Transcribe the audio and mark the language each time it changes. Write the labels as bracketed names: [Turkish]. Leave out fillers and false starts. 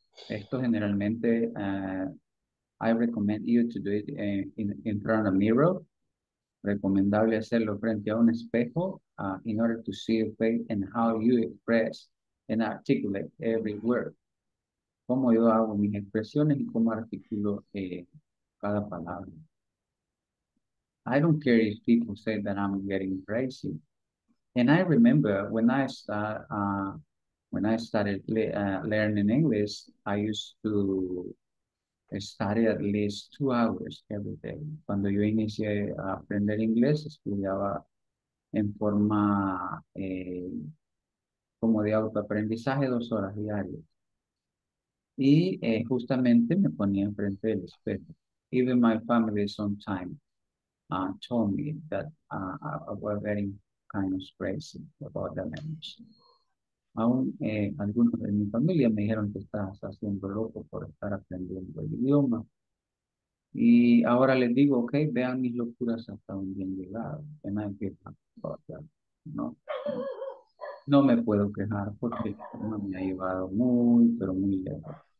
[Spanish] Esto generalmente, [English] I recommend you to do it in front of a mirror. [Spanish] Recomendable hacerlo frente a un espejo [English] in order to see your face and how you express and articulate every word. [Spanish] Cómo yo hago mis expresiones y cómo articulo cada palabra. [English] I don't care if people say that I'm getting crazy. And I remember when I started learning English, I used to study at least 2 hours every day. [Spanish] Cuando yo inicié a aprender inglés, estudiaba en forma como de autoaprendizaje 2 horas diarias. Y justamente me ponía enfrente del espejo. [English] Even my family sometimes told me that I was getting kind of crazy about the language. [Spanish] Aún algunos de mi familia me dijeron que estás haciendo loco por estar aprendiendo el idioma. Y ahora les digo, ok, vean mis locuras hasta donde han llegado. [English] And I feel about that. [Spanish] No me puedo quejar porque no me ha llevado muy, pero muy lejos.